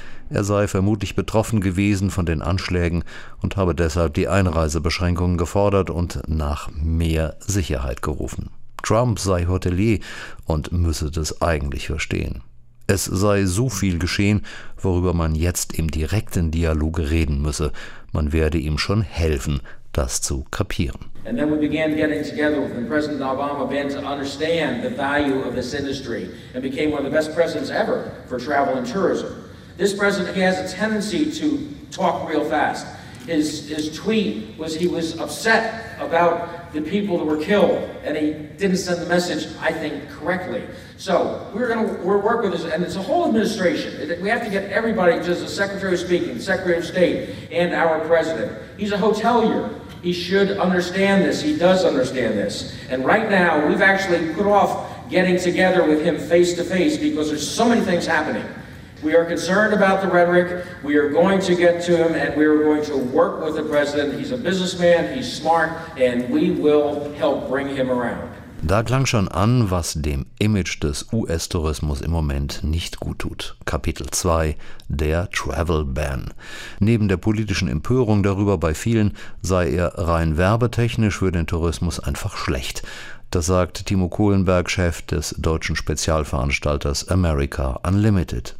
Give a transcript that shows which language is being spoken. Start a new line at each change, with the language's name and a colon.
German: Er sei vermutlich betroffen gewesen von den Anschlägen und habe deshalb die Einreisebeschränkungen gefordert und nach mehr Sicherheit gerufen. Trump sei Hotelier und müsse das eigentlich verstehen. Es sei so viel geschehen, worüber man jetzt im direkten Dialog reden müsse. Man werde ihm schon helfen, das zu kapieren.
English: And then we began getting together with when President Obama began to understand the value of this industry and became one of the best presidents ever for travel and tourism. This president, he has a tendency to talk real fast. His tweet was he was upset about the people that were killed, and he didn't send the message, I think, correctly. So we're work with this, and it's a whole administration. We have to get everybody, just the Secretary of Speaking, Secretary of State, and our president. He's a hotelier. He should understand this. He does understand this. And right now, we've actually put off getting together with him face to face because there's so many things happening. We are concerned about the rhetoric. We are going to get to him, and we are going to work with the president. He's a businessman. He's smart, and we will help bring him around.
German: Da klang schon an, was dem Image des US-Tourismus im Moment nicht gut tut. Kapitel 2, der Travel Ban. Neben der politischen Empörung darüber bei vielen, sei er rein werbetechnisch für den Tourismus einfach schlecht. Das sagt Timo Kohlenberg, Chef des deutschen Spezialveranstalters America Unlimited.